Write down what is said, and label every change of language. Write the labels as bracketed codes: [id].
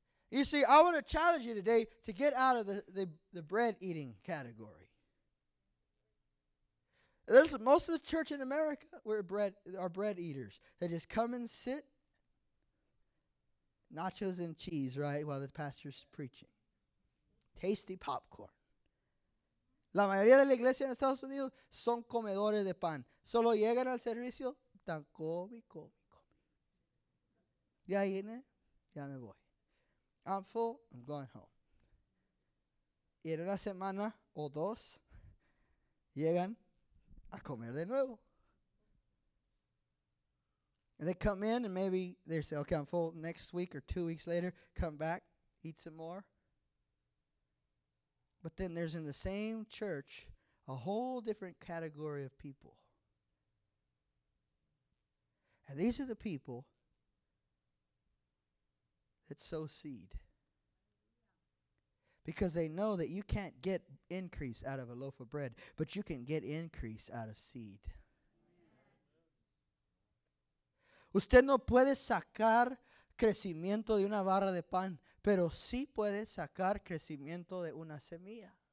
[en] You see, I want to challenge you today to get out of the bread-eating category. There's most of the church in America are bread eaters. They just come and sit, nachos and cheese, right, while the pastor's preaching. Tasty popcorn. [es] La mayoría de la iglesia en Estados Unidos son comedores de pan. Solo llegan al servicio, tan come. Ya vine, ya me voy. [en] I'm full, I'm going home. [es] Y en una semana o dos, llegan a comer de nuevo. [en] And they come in and maybe they say, okay, I'm full next week or 2 weeks later, come back, eat some more. But then there's in the same church a whole different category of people. And these are the people that sow seed. Because they know that you can't get increase out of a loaf of bread, but you can get increase out of seed. [es] Usted no puede sacar crecimiento de una barra de pan, pero sí puede sacar crecimiento de una semilla.